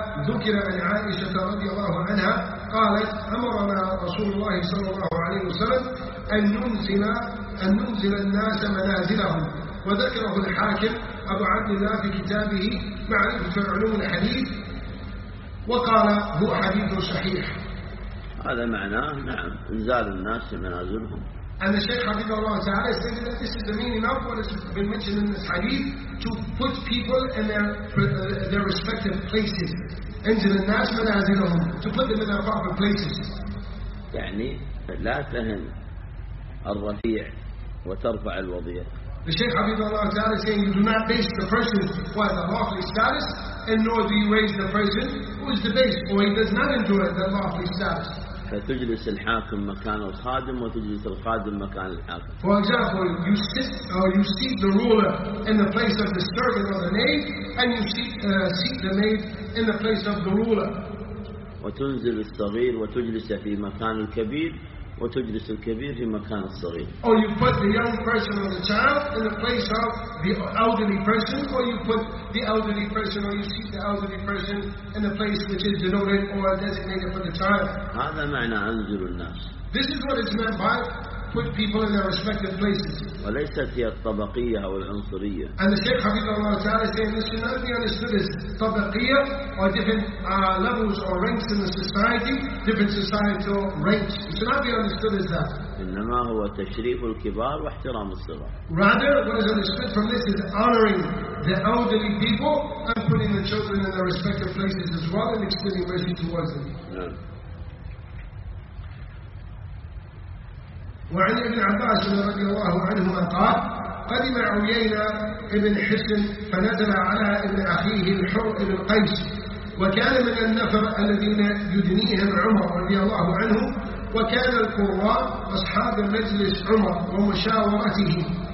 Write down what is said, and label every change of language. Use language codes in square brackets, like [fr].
[ar] ذكر عن عائشة رضي الله عنها قالت أمرنا رسول الله صلى الله عليه وسلم أن ننزل الناس منازلهم وذكره الحاكم أبو عبد الله في كتابه معرفة علوم الحديث وقال هو حديث صحيح. هذا معناه نعم إنزال الناس منازلهم. [en] And the Shaykh Habibullah Ta'ala said that this is the meaning of what has been mentioned in this hadith to put people in their respective places into the national asylum, to put them in their proper places. [ar] يعني لا تهن الرفيع وترفع الوضيع. [en] The Shaykh Habibullah Ta'ala is saying you do not base the person who has a lawful status and nor do you raise the person who is debased or he does not enjoy the lawful status. [ar] فتجلس الحاكم مكان الخادم وتجلس الخادم مكان الحاكم. [en] For example, you seat the ruler in the place of the servant or the maid, and you seat the maid in the place of the ruler. [ar] وتنزل الصغير وتجلس في مكان الكبير وتجلس الكبير في مكان الصغير. [en] Or you put the young person or the child in the place of the elderly person, or you put the elderly person or you seat the elderly person in the place which is denoted or designated for the child. [ar] هذا معنى أنزل الناس. [en] This is what it's meant by put people in their respective places. [ar] وليست هي الطبقية أو العنصرية. [en] And the Sheikh Hafidhullah Ta'ala saying this should not be understood as طبقية or different levels or ranks in the society, different societal ranks. It should not be understood as that. [ar] إنما هو تشريف الكبار واحترام الصغار. [en] Rather, what is understood from this is honoring the elderly people and putting the children in their respective places as well and extending mercy towards them. [ar] وعن ابن عباس رضي الله عنهما قال قدم عيينة ابن حسن فنزل على ابن أخيه الحر ابن قيس وكان من النفر الذين يدنيهم عمر رضي الله عنه وكان القراء أصحاب مجلس عمر ومشاورته